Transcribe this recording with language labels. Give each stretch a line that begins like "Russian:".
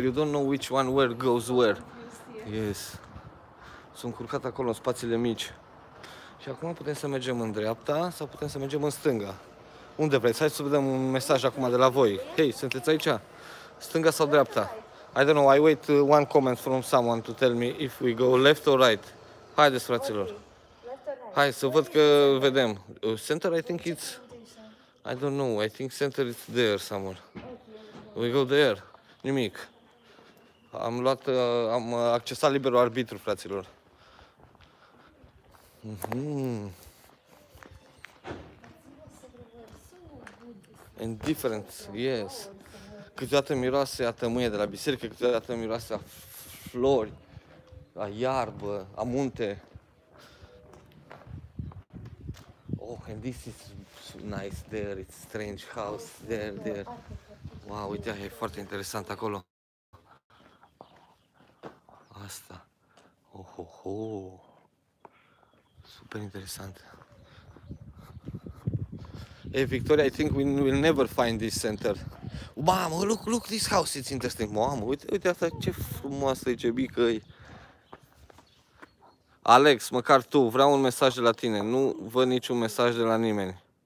English: You don't know which one where goes where. Yes.
Romanian: Sunt curcat acolo în spațiile mici. Și acum putem să mergem în dreapta sau putem să mergem în stânga. Unde vreți? Hai să vedem un mesaj acum de la voi. Hei, sunteți aici? Stânga sau dreapta?
English: I don't know. I wait one comment from someone to tell me if we go left or right.
Romanian: Haideți, fraților. Hai să văd că vedem.
English: Center, I think it's... I don't know. I think center is there somewhere. We go there.
Romanian: Nimic. Am luat, am accesat liberul arbitru, fraților.
English: And difference, yes.
Romanian: Câteodată miroase a tămâie de la biserică, câteodată miroase a flori, a iarbă, a munte.
English: Oh, and this is nice there, it's strange house there, there.
Romanian: Wow, uite, e foarte interesant acolo. Asta. Oh, ho, ho. Super interesant.
English: Hey, Victoria, I think we will never find this center. Mamă, look, look, this house, it's interesting.
Romanian: Mamă, uite, uite asta, ce frumoasă e, ce mică e. Alex, măcar tu, vreau un mesaj de la tine. Nu văd niciun mesaj de la nimeni.